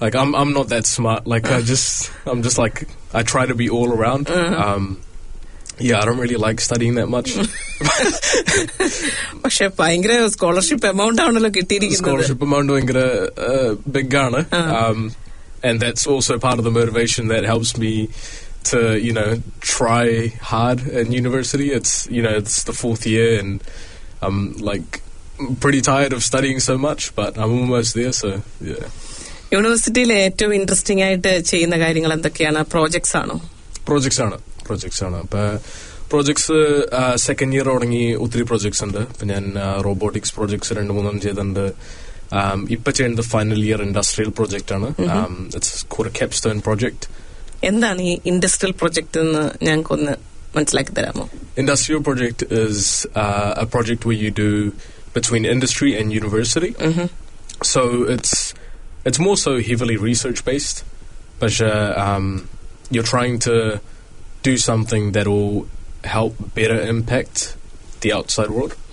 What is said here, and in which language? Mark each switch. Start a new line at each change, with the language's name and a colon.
English: Like I'm not that smart, like I'm just like I try to be all around. Yeah, I don't really like studying that much.
Malayalam: പക്ഷെ ഭയങ്കര scholarship amount ആണല്ലോ കിട്ടിയിരിക്കുന്നത്. Scholarship amount ഭയങ്കര big ആണ്.
English: And that's also part of the motivation that helps me to, you know, try hard in university. It's, you know, it's the fourth year and I'm like pretty tired of studying so much, but I'm almost there, so yeah.
Malayalam: യൂണിവേഴ്സിറ്റിയിൽ ഏറ്റവും interesting ആയിട്ട് ചെയ്യുന്ന കാര്യങ്ങൾ എന്തൊക്കെയാണ്? Projects ആണോ? Projects ആണ്. അപ്പൊ projects second year തുടങ്ങി ഒത്തിരി പ്രോജക്ട്സ് ഉണ്ട്. ഇപ്പൊ ഞാൻ റോബോട്ടിക്സ് പ്രോജക്ട്സ് 2-3 ചെയ്തിട്ടുണ്ട്. ഇപ്പൊ ചെയ്യുന്നത് ഫൈനൽ ഇയർ ഇൻഡസ്ട്രിയൽ പ്രോജക്ട് ആണ്. Capstone project. എന്താണ് ഈ ഇൻഡസ്ട്രിയൽ പ്രോജക്ട് എന്ന് ഞങ്ങൾക്ക് ഒന്ന് മനസ്സിലാക്കി തരാമോ?
English: Industrial project is a project where you do between industry and university. So it's more so heavily research based.
Malayalam: പക്ഷെ
English: you're trying to do something that will help better impact the outside world.